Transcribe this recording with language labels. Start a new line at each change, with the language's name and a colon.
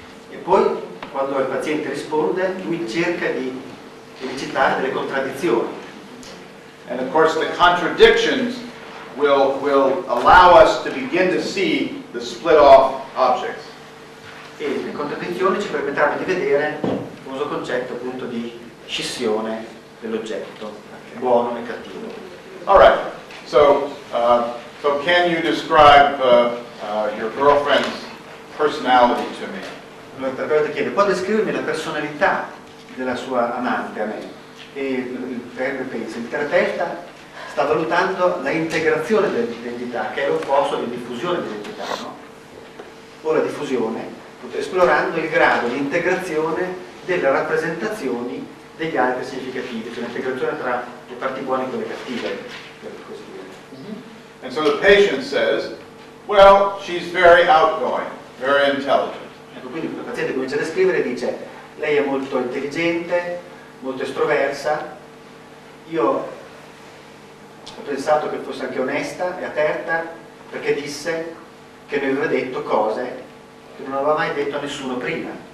Italian: E poi, quando il paziente risponde, lui cerca di citare delle contraddizioni.
English: And of course the contradictions will allow us to begin to see the split off objects.
Italian: E le contraddizioni ci permetteranno di vedere il famoso concetto appunto di scissione dell'oggetto, okay. Buono e cattivo.
English: All right. So can you describe your girlfriend's personality to me?
Italian: Allora, il terapeuta chiede, può descrivermi la personalità della sua amante a me? Il terapeuta sta valutando la integrazione dell'identità, che è l'opposto di diffusione dell'identità, no? O la diffusione, esplorando il grado di integrazione delle rappresentazioni degli altri significativi, cioè l'integrazione tra le parti buone e quelle cattive, per così dire.
English: And so the patient says, well, she's very outgoing, very intelligent.
Italian: Ecco, quindi il paziente comincia a descrivere e dice, lei è molto intelligente, molto estroversa, io ho pensato che fosse anche onesta e aperta, perché disse che mi aveva detto cose che non aveva mai detto a nessuno prima.